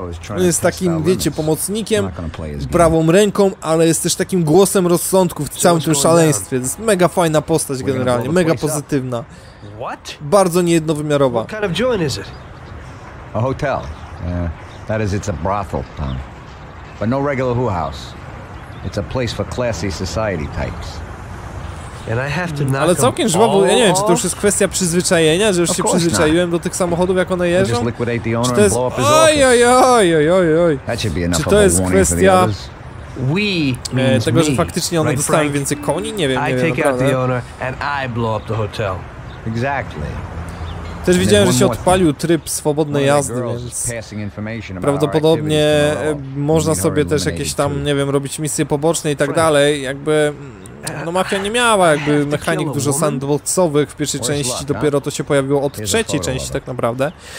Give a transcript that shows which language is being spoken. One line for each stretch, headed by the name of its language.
Polish: On jest takim, wiecie, pomocnikiem, prawą ręką, ale jest też takim głosem rozsądku w całym tym szaleństwie. To jest mega fajna postać generalnie, mega pozytywna.
English: What?
Polish: Bardzo niejednowymiarowa.
English: What kind of joint is it? A hotel. That is, it's a brothel, Tom. But no regular who house. It's a place for classy society types. And I have to knock.
Polish: Ale całkiem żwawo, ja nie wiem, czy to już jest kwestia przyzwyczajenia, że już się przyzwyczaiłem do tych samochodów, jak one jeżdżą.
English: Just liquidate the owner and blow up his office. Ojojojojojojojoj. That should be enough.
Polish: Czy to jest kwestia we tego, że faktycznie one dostały więcej koni? Nie wiem, nie wiem.
English: I take out the owner and I blow up the hotel. Exactly.
Polish: Też widziałem, że się odpalił tryb swobodnej jazdy, więc prawdopodobnie można sobie też jakieś tam, nie wiem, robić misje poboczne i tak dalej. Jakby, no Mafia nie miała jakby mechanik dużo sandboxowych w pierwszej części, dopiero to się pojawiło od trzeciej części tak naprawdę.